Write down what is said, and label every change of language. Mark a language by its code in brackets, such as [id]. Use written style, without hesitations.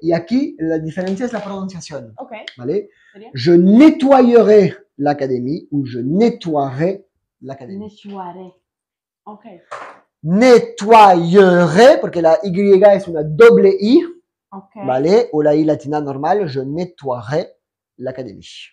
[es] Y aquí la diferencia es la pronunciación. Ok. Vale. [fr] Je nettoyerai l'académie ou je nettoierai l'académie. Nettoierai. Ok. [es] Nettoyerai, porque la Y es una doble I, okay. ¿Vale? O la I latina normal, [fr] je nettoierai l'académie.